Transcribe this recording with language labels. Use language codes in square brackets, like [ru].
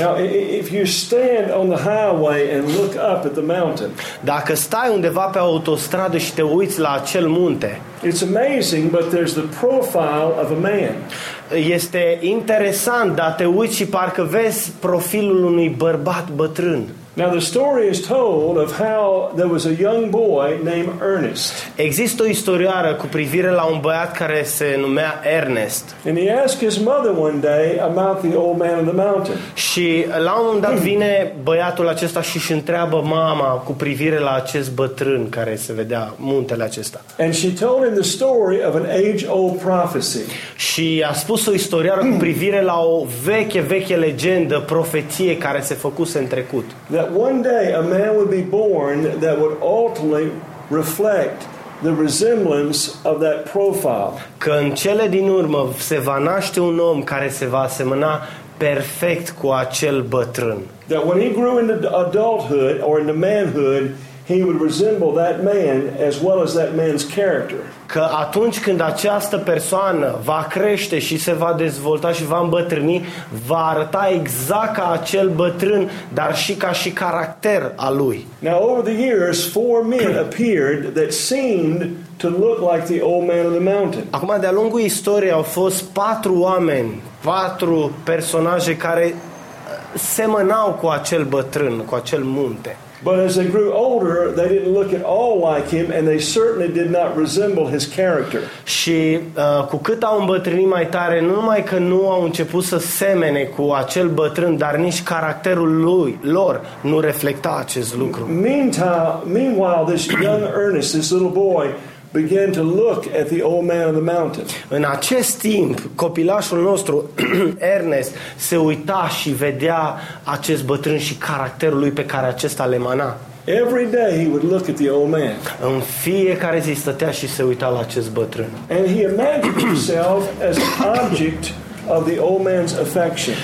[en] Now, if you stand on the highway and look up at the mountain. [ro] Dacă stai undeva pe autostradă și te uiți la acel munte. [en] It's amazing, but there's the profile of a man. [ro] Este interesant, dar te uiți și parcă vezi profilul unui bărbat bătrân. [en] Now the story is told of how there was a young boy named Ernest. [ro] Există o istorioară cu privire la un băiat care se numea Ernest. [en] And he asked his mother one day about the old man of the mountain. [ro] Și la un moment dat vine băiatul acesta și își întreabă mama cu privire la acest bătrân care se vedea muntele acesta. [en] And she told him the story of an age-old prophecy. [ro] Și a spus o istorioară cu privire la o veche legendă, profeție care se făcuse în trecut. [en] That one day a man would be born that would ultimately reflect the resemblance of that profile. [ro] Că în cele din urmă se va naște un om care se va asemăna perfect cu acel bătrân. [en] That when he grew into adulthood or into manhood, he would resemble that man as well as that man's character. [ro] Că atunci când această persoană va crește și se va dezvolta și va îmbătrâni, va arăta exact ca acel bătrân, dar și ca și caracter al lui. [en] Now over the years, four men appeared that seemed to look like the old man of the mountain. [ro] Acum de-a lungul istoriei au fost patru oameni, patru personaje care semănau cu acel bătrân, cu acel munte. [en] But as they grew older, they didn't look at all like him, and they certainly did not resemble his character. [ro] Și cu cât au îmbătrânit mai tare, nu numai că nu au început să semene cu acel bătrân, dar nici caracterul lor nu reflecta acest lucru. [en] Meanwhile, this young Ernest, this little boy, began to look at the old man of the mountain. [ro] În acest timp, copilașul nostru Ernest se uita și vedea acest bătrân și caracterul lui pe care acesta îl emana. [en] Every day he would look at the old man. [ro] În fiecare zi stătea și se uita la acest bătrân. [en] And he imagined himself as an object of the old man's affection.